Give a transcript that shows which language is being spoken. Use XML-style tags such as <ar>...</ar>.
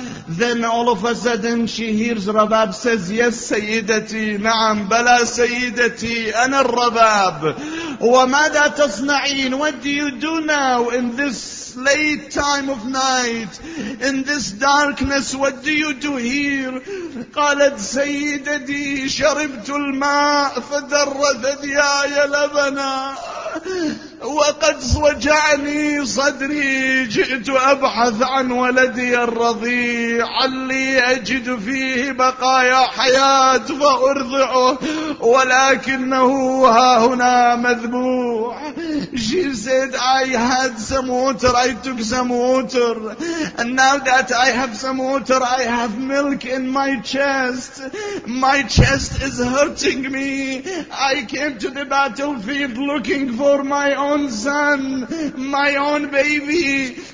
<en>Then all of a sudden she hears Rabab says, Yes,</en> <ar>سيدتي. نعم بلا سيدتي. أنا الرباب. وماذا تصنعين?</ar> <en>What do you do now in this late time of night? In this darkness, what do you do here?</en> <ar>قالت سيدتي شربت الماء فدرت ذياي لبنا. وقد وجعني صدري جئت أبحث عن ولدي الرضيع علي أجد فيه بقايا حياة فأرضعه ولكنه ها هنا مذبوح.</ar> <en>She said, I had some water, I took some water, and now that I have some water, I have milk in my chest. My chest is hurting me. I came to the battlefield looking for my own son, my own baby.</en>